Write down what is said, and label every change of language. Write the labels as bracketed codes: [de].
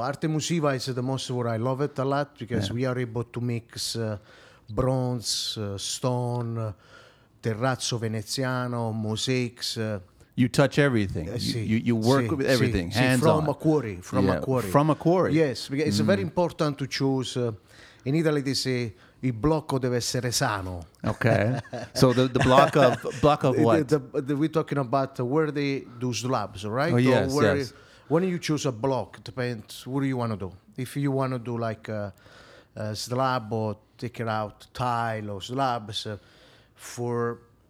[en] Arte musiva is the most where I love it a lot because we are able to mix bronze, stone, terrazzo veneziano, mosaics. You touch everything. You work with everything, hands-on. From a quarry. From a quarry. Yes, because it's very important to choose. In Italy, they say, [it] il blocco deve essere sano. [en] Okay. So the block of what? We're talking about where they do slabs, right? Oh, yes, where yes. When you choose a block, it depends what do you want to do. If you want to do like a slab or take it out, tile or slabs for...